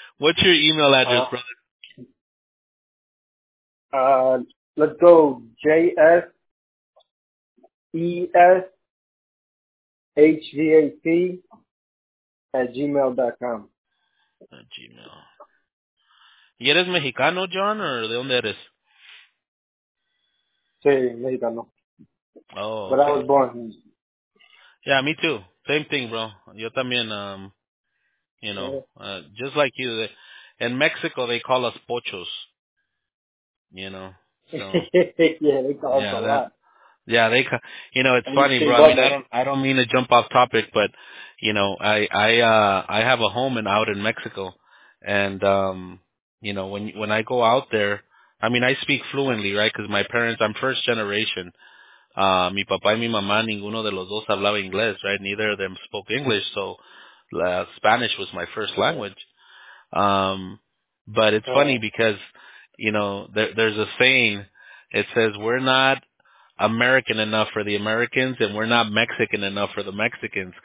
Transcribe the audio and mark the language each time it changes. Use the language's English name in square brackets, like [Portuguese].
[English] What's your email address, brother? Let's go JSESHVAC@gmail.com. At Gmail. [Spanish] ¿Y eres Mexicano, John, or de dónde eres? Sí, Mexicano. [English] Oh. But okay. I was born. Yeah, me too. Same thing, bro. [Spanish] Yo también, [English] you know, just like you. In Mexico, they call us pochos, you know. So, yeah, they call us a lot. Yeah, they, you know, it's funny, bro. I mean, I don't mean to jump off topic, but, you know, I have a home and out in Mexico. And, you know, when I go out there, I mean, I speak fluently, right? Cause my parents, I'm first generation. [Spanish] Mi papá y mi mamá, ninguno de los dos hablaba inglés, right? [English] Neither of them spoke English. So, Spanish was my first language. But it's funny because, you know, there's a saying, it says, we're not American enough for the Americans and we're not Mexican enough for the Mexicans.